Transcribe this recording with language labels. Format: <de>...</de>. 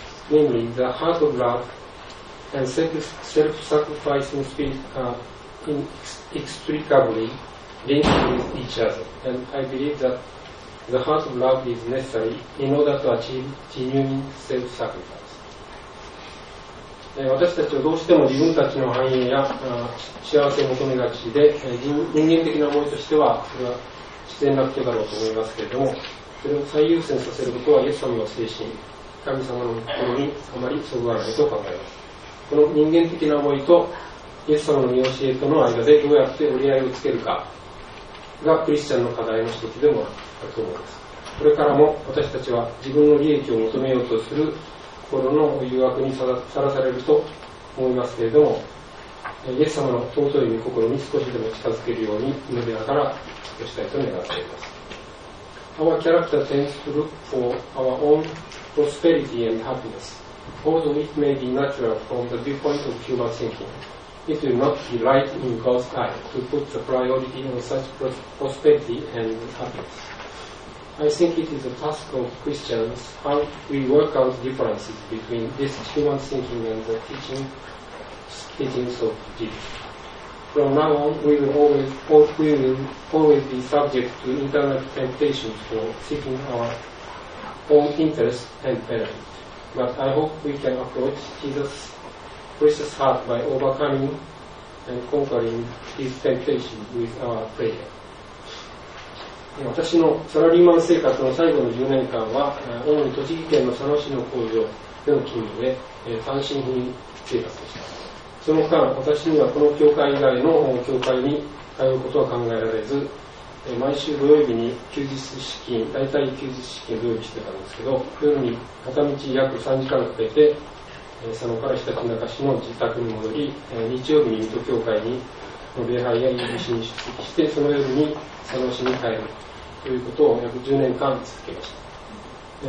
<en>Namely, the heart of love and self-sacrificing spirit are inextricably linked with each other, and I believe thatThe heart of love is necessary in order to achieve genuine self-sacrifice.</en> <ja>私たちはどうしても自分たちの繁栄や幸せを求めがちで、人間的な思いとしては、それは自然な癖だろうと思いますけれども、それを最優先させることはイエス様の精神、神様の心にあまりそぐわないと考えます。この人間的な思いとイエス様の御教えとの間でどうやって折り合いをつけるかがクリスチャンの課題の一つでもあると思います。これからも私たちは自分の利益を求めようとする心の誘惑にさらされると思いますけれども、イエス様の尊い御心に少しでも近づけるように祈りながらおしたいと願っています。</ja> <en>Our character tends to look for our own prosperity and happiness, although it may be natural from the viewpoint of human thinking. It will not be right in God's eye to put the priority on such prosperity and happiness. I think it is a task of Christians how we work out differences between this human thinking and the teachings of Jesus. From now on, we will always be subject to internal temptations for seeking our own interest and benefit. But I hope we can approach Jesus' precious heart by overcoming and conquering his temptation with our prayer.</en> <ja>私のサラリーマン生活の最後の10年間は、主に栃木県の佐野市の工場での勤務で、単身赴任生活でした。その間、私にはこの教会以外の教会に通うことは考えられず、毎週土曜日に休日出勤、大体休日出勤土曜日してたんですけど、夜に片道約3時間かけて、佐野からひたちなか市の自宅に戻り、日曜日に水戸教会に礼拝や祈りに出席して、その夜に佐野市に帰るということを約10年間続けました。</ja>